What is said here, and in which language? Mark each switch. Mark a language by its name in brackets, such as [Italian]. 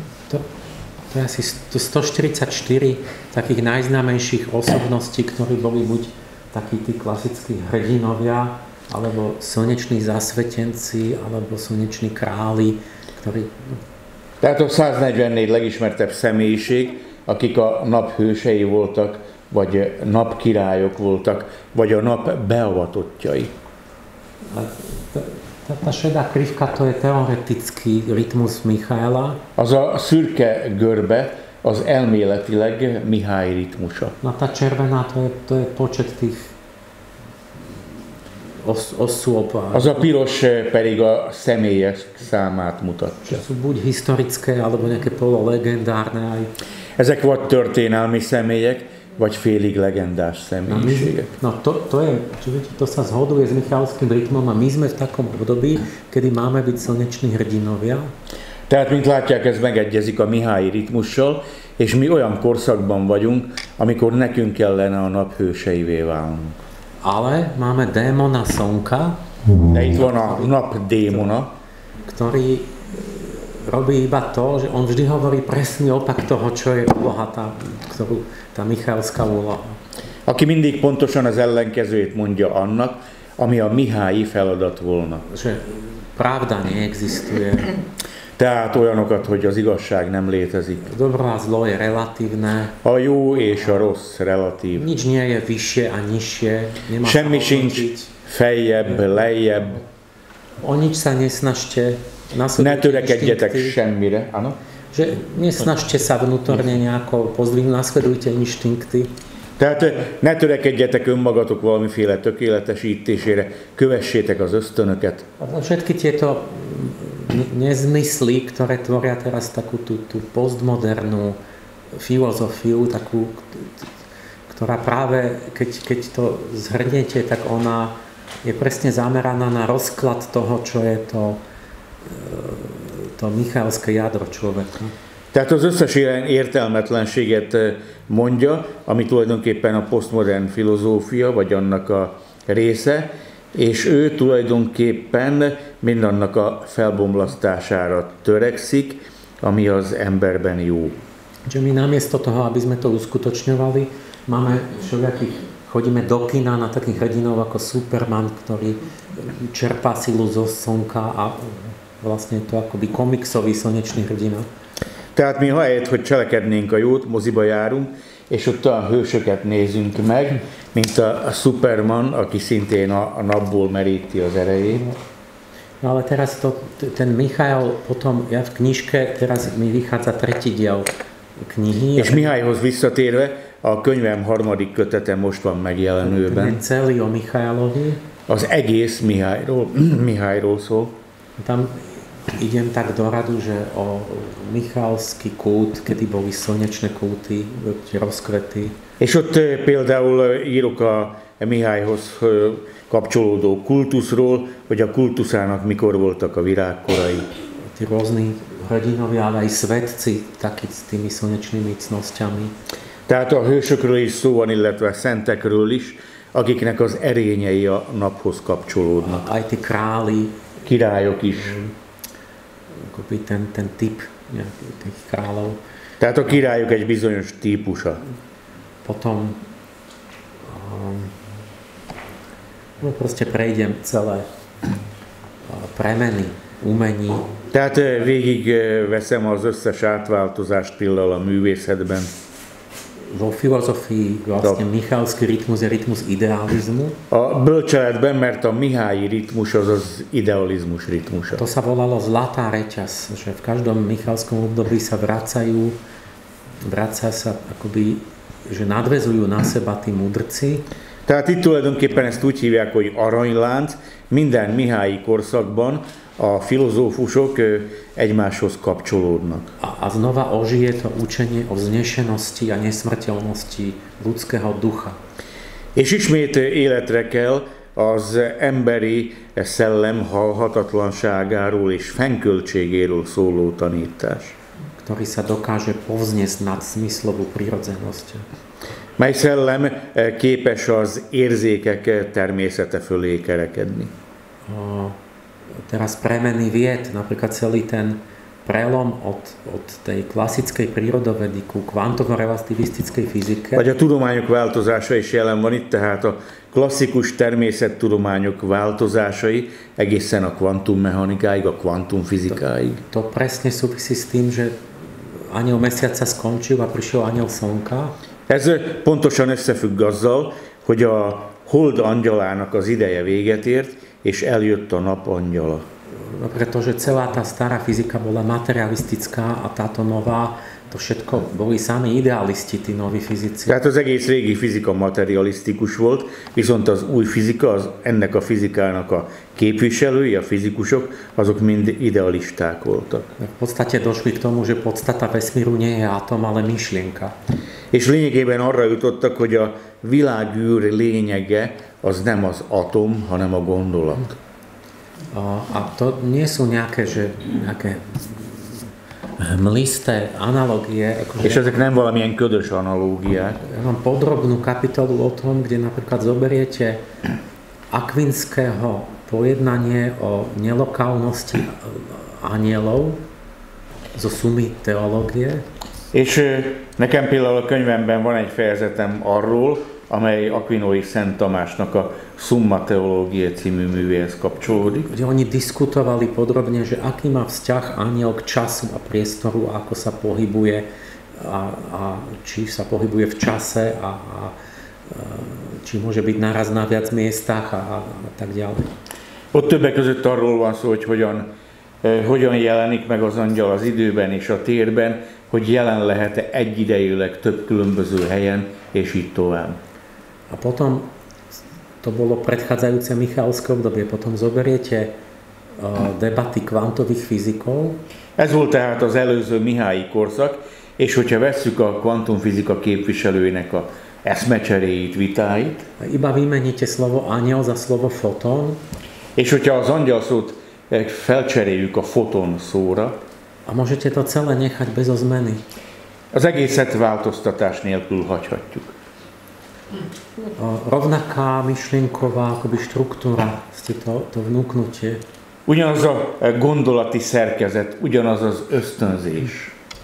[Slovak] To je asi 144 takých najznámejších osobností, ktorí boli buď takí tí klasickí hrdinovia, alebo slneční zasvetenci, alebo slneční králi, ktorí... [Hungarian] Tehát 144 legismertebb személyiség, akik a nap hősei voltak, vagy nap királyok voltak, vagy a nap beavatottjai. [Slovak] Tá šedá krivka, to je teoretický rytmus Michaela. [Hungarian] Az a szürke görbe, az elméletileg Mihály ritmusa. [Slovak] Na tá červená, to je počet tých osôb. [Hungarian] Az a piros pedig a személyes számát mutatja. [Slovak] Sú buď historické, alebo nejaké pololegendárne aj. [Hungarian] Ezek vagy történelmi személyek, vagy félig legendás személyiségek. [Slovak] No, to sa zhoduje s Michalským ritmom a my sme v takom období, kedy máme byť slneční hrdinovia. [Hungarian] Tehát, mint látják, ez megegyezik a Mihály ritmussal, és mi olyan korszakban vagyunk, amikor nekünk kellene a nap hőseivé válnunk. [Slovak] Ale máme démona Slnka. [Hungarian] De itt van a nap démona. [Slovak] Ktorý robí iba to, že on vždy hovorí presný opak toho, čo je úloha, ktorú tá Michalská úloha. [Hungarian] Aki mindig pontosan az ellenkezőjét mondja annak, ami a Mihály feladat volna. [Slovak] Že pravda neexistuje. [Hungarian] Tehát olyanokat, hogy az igazság nem létezik. [Slovak] A dobro a zlo je relatívne. [Hungarian] A jó és a rossz relatív. [Slovak] Nič nie je vyššie a nižšie. [Hungarian] Semmi sincs fejjebb, lejjebb. [Slovak] O nič sa nesnažte. [Hungarian] Ne törekedjetek semmire. [Slovak] Áno? Že nesnažte sa vnútorne nejako pozdvihnúť, nasledujte inštinkty. [Hungarian] Tehát ne törekedjetek önmagatok valamiféle tökéletesítésére, kövessétek az ösztönöket. [Slovak] Všetky tieto nezmysly, ktoré tvoria teraz takú tú postmodernú filozofiu, takú, ktorá práve, keď to zhrniete, tak ona je presne zameraná na rozklad toho, čo je to Michalské jádro človeka. [Hungarian] Tehát az összes értelmetlenséget mondja, ami tulajdonképpen a postmodern filozófia, vagy annak a része, és ő tulajdonképpen mindannak a felbomlasztására törekszik, ami az emberben jó. Úgyhogy [Slovak] mi namiesto toho, aby sme to uskutočňovali, máme všelijakých, chodíme do kina na takých hrdinov ako Superman, ktorý čerpá silu zo slnka a vlastne je to akoby komiksový slnečný hrdina. [Hungarian] Tehát mi helyett, hogy cselekednénk a jót, moziba járunk, és ott a hősöket nézünk meg, mint a Superman, aki szintén a napból meríti az erejét. [Slovak] No, ale teraz to, ten Michael potom, ja v knižke, teraz mi vychádza tretí diel knihy. [Hungarian] És Mihályhoz visszatérve, a könyvem harmadik kötete most van megjelenőben. [Slovak] Ten celý o Michaelovi. [Hungarian] Az egész Mihályról szól. [Slovak] Tam idem tak do radu, že o Michalský kút, kedy boli slnečné kúty, rozkvety. [Hungarian] És ott például írok a Mihályhoz kapcsolódó kultuszról, hogy a kultuszának mikor voltak a virágkorai. [Slovak] Tí rôzni hrdinovia, ale aj svetci, taky s tými slnečnými cnosťami. [Hungarian] Tehát a hősökről is szó van, illetve szentekről is, akiknek az erényei a naphoz kapcsolódnak. [Slovak] Aj tí králi. [Hungarian] Királyok is. [Slovak] Ten typ tých kráľov. [Hungarian] Tehát a királyok egy bizonyos típusa. [Slovak] Potom no proste prejdem celé premeny, umení. [Hungarian] Tehát végig veszem az összes átváltozást például a művészetben. [Slovak] Vo filozofii vlastne Michalský ritmus je ritmus idealizmu. [Hungarian] A bölcseletben, mert a Mihály ritmus az az idealizmus ritmusa. [Slovak] To sa volalo zlatá reťaz, že v každom Michalskom období sa vracajú sa akoby, že nadväzujú na seba tí mudrci. [Hungarian] Tehát itt tulajdonképpen ezt úgy hívják, hogy aranylánc, minden Mihályi korszakban a filozófusok egymáshoz kapcsolódnak. [Slovak] A znova ožije to učenie o vznešenosti a nesmrteľnosti ľudského ducha. [Hungarian] És ismét életre kell az emberi szellem halhatatlanságáról és fennköltségéről szóló tanítás. [Slovak] Ktorý sa dokáže povzniesť nad smyslovú prirodzenosť. [Hungarian] Mely szellem képes az érzékek természete fölé kerekedni. [Slovak] Teraz premenný vied, napríklad celý ten prelom od tej klasickej prírodovedy ku kvantovo-relativistickej fyzike. [Hungarian] Vagy a tudományok változása is jelen van itt, tehát a klasszikus természettudományok változásai egészen a kvantummechanikáig, a kvantumfizikáig. [Slovak] To presne súvisí s tým, že anjel mesiaca skončil a prišiel anjel slnka. [Hungarian] Ez pontosan összefügg azzal, hogy a hold angyalának az ideje véget ért, és eljött a nap angyala. [Slovak] No, pretože celá tá stará fyzika bola materialistická a táto nová, to všetko boli sami idealisti, tí noví fyzici. [Hungarian] Tehát az egész régi fizika materialistikus volt, viszont az új fizika, az ennek a fizikának a képviselői, a fizikusok, azok mind idealisták voltak. [Slovak] V podstate došli k tomu, že podstata vesmíru nie je atom, ale myšlienka. [Hungarian] És lényegében arra jutottak, hogy a világűr lényege az nem az atom, hanem a gondolat. [Slovak] A to nie sú nejaké, že nejaké mlisté analogie. Akože, [Hungarian] ešte nem valamien ködös analógia. [Slovak] Ja mám podrobnú kapitolu o tom, kde napríklad zoberiete Akvinského pojednanie o nelokálnosti anielov zo sumy teológie. [Hungarian] És nekem például a könyvemben van egy fejezetem arról, amely Akvinói Szent Tamásnak a Summa Teológie című művéhez kapcsolódik. Ugye [Slovak] oni diskutovali podrobne, že aký má vzťah aniel k času a priestoru, ako sa pohybuje a či sa pohybuje v čase a či môže byť naraz na viac miestach a tak ďalej. [Hungarian] Ott többek között arról van szó, hogy hogyan jelenik meg az angyal az időben és a térben, hogy jelen lehet-e egyidejűleg több különböző helyen és így tovább. [Slovak] A potom, to bolo predchádzajúce Michalské obdobie, potom zoberiete debaty kvantových fyzikov. [Hungarian] Ez volt tehát az előző Mihályi korszak, és hogyha vesszük a kvantumfizika képviselőinek a eszmecseréit, vitáit. [Slovak] Iba vymeníte slovo anjel za slovo foton. [Hungarian] És hogyha az angyal szót felcseréljük a foton szóra. [Slovak] A môžete to celé nechať bez ozmeny. [Hungarian] Az egészet változtatás nélkül hagyhatjuk. [Slovak] Rovnaká myšlienková akoby štruktúra, ste to vnúknutie. [Hungarian] Ugyanaz a gondolati szerkezet, ugyanaz az ösztönzés.